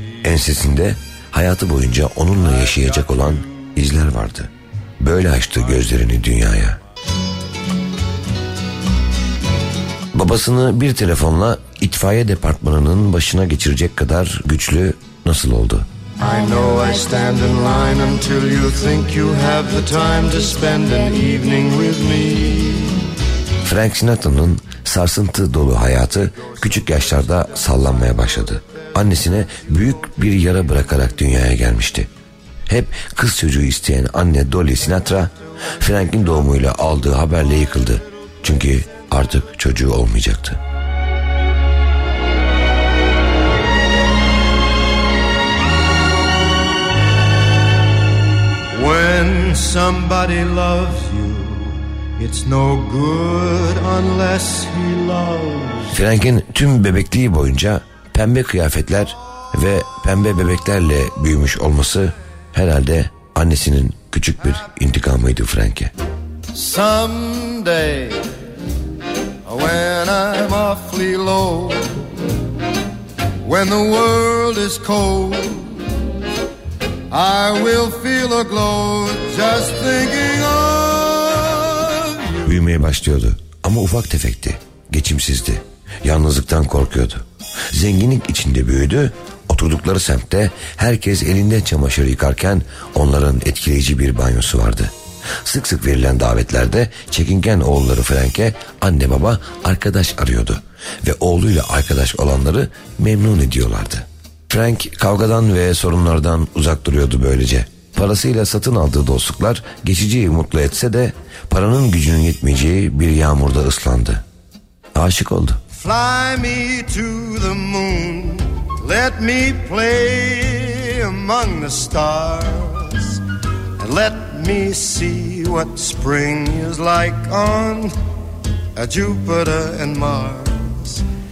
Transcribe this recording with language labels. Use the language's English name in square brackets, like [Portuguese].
[Turkish] Ensesinde hayatı boyunca onunla yaşayacak olan izler vardı. Böyle açtı gözlerini dünyaya. Babasını bir telefonla itfaiye departmanının başına geçirecek kadar güçlü nasıl oldu? [English] I know I stand in line until you think you have the time to spend an evening with me. [Turkish] Frank Sinatra'nın sarsıntı dolu hayatı küçük yaşlarda sallanmaya başladı. Annesine büyük bir yara bırakarak dünyaya gelmişti. Hep kız çocuğu isteyen anne Dolly Sinatra, Frank'in doğumuyla aldığı haberle yıkıldı. Çünkü artık çocuğu olmayacaktı. [English] When somebody loves you, it's no good unless he loves. [Turkish] Frank'in tüm bebekliği boyunca pembe kıyafetler ve pembe bebeklerle büyümüş olması herhalde annesinin küçük bir intikamıydı Frank'e. [English] Someday when I'm awfully low, when the world is cold, I will feel a glow just thinking of. [Turkish] Büyümeye başlıyordu ama ufak tefekti, geçimsizdi, yalnızlıktan korkuyordu. Zenginlik içinde büyüdü, oturdukları semtte herkes elinde çamaşır yıkarken onların etkileyici bir banyosu vardı. Sık sık verilen davetlerde çekingen oğulları Frank'e anne baba arkadaş arıyordu ve oğluyla arkadaş olanları memnun ediyorlardı. Frank kavgadan ve sorunlardan uzak duruyordu böylece. Parasıyla satın aldığı dostluklar geçici mutlu etse de paranın gücünün yetmeyeceği bir yağmurda ıslandı. Aşık oldu. [English] Fly me to the moon, let me play among the stars, and let me see what spring is like on a Jupiter and Mars.